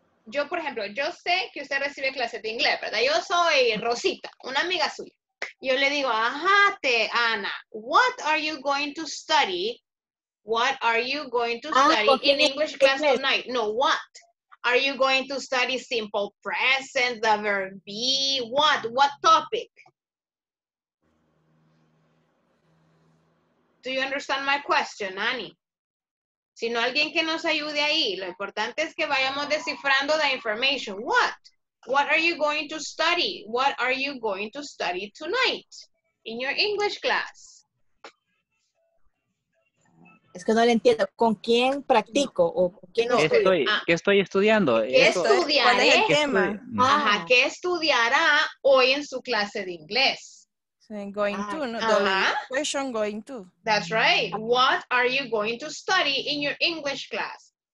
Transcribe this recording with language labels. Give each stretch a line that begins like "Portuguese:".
Spanish: Yo, por ejemplo, yo sé que usted recibe clases de inglés, ¿verdad? Yo soy Rosita, una amiga suya. Yo le digo, ajá, te,
English: Ana, what are you going to study? What are you going to study in English class tonight? No, what? Are you going to study simple present, the verb be? What? What topic? Do you understand my question, Annie?
Spanish: Si no, alguien que nos ayude ahí. Lo importante es que vayamos descifrando
English: the information. What? What are you going to study? What are you going to study tonight in your English class?
Spanish: Es que no le entiendo. ¿Con quién practico? No. ¿O quién no? ¿Qué estoy estudiando? ¿Qué estudiaré? ¿Cuál es el tema? Ajá, ¿qué estudiará hoy en su clase de inglés?
English: Going to, no, the question going to. That's right. What are you going to study in your English class?